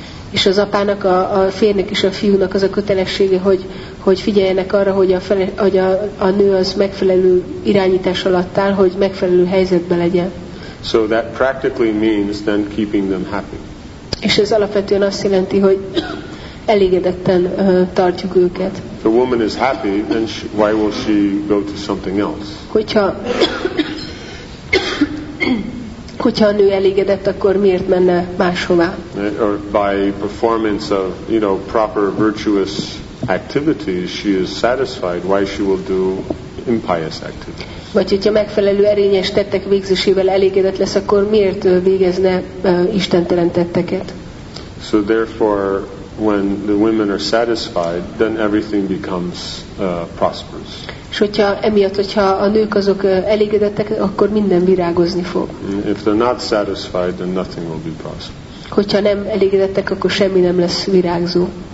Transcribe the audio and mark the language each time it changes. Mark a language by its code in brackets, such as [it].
[hu] És az apának, a férnek és a fiúnak az a kötelessége, hogy figyeljenek arra, hogy a nő az megfelelő irányítás alatt áll, hogy megfelelő helyzetben legyen. [en] So that practically means then keeping them happy. [hu] És ez alapvetően azt jelenti, hogy elégedetten tartjuk őket. [en] The woman is happy, then why will she go to something else? [hu] Hogyha a nő elégedett, akkor miért menne máshová? [en] Or by performance of, you know, proper virtuous activities, she is satisfied, why she will do impious activities? [hu] Vagy hogyha megfelelő erényes tettek végzésével elégedett lesz, akkor miért végezne istentelen tetteket? [en] So therefore, when the women are satisfied, then everything becomes prosperous. [hu] És hogyha emiatt, hogyha a nők azok elégedettek, akkor minden virágozni fog. [en] If they're not satisfied, then nothing will be prosperous. [hu] Hogyha nem elégedettek, akkor semmi nem lesz virágzó.